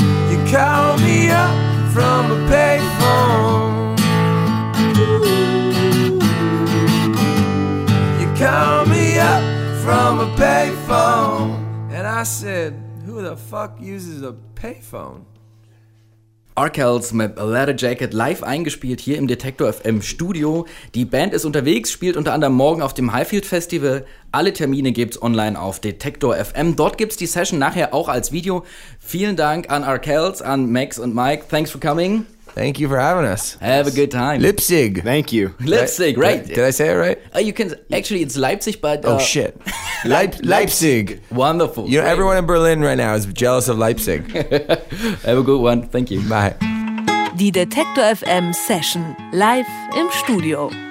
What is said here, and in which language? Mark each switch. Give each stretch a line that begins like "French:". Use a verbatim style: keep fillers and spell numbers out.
English: You call me up from a payphone. You call me up from a payphone. And I said, who the fuck uses a payphone?
German: Arkells mit A Leather Jacket live eingespielt hier im Detektor F M Studio. Die Band ist unterwegs, spielt unter anderem morgen auf dem Highfield Festival. Alle Termine gibt's online auf Detektor F M. Dort gibt's die Session nachher auch als Video. Vielen Dank an Arkells, an Max und Mike.
English: Thanks for coming. Thank you for having us. Have a good time. Leipzig. Thank you. Leipzig, right? Did I say it right? Uh, you can actually, it's Leipzig, but uh, oh shit, Leip- Leipzig. Wonderful. You know, everyone in Berlin right now is jealous of Leipzig. Have a good one. Thank you. Bye.
German: Die Detektor F M Session live im Studio.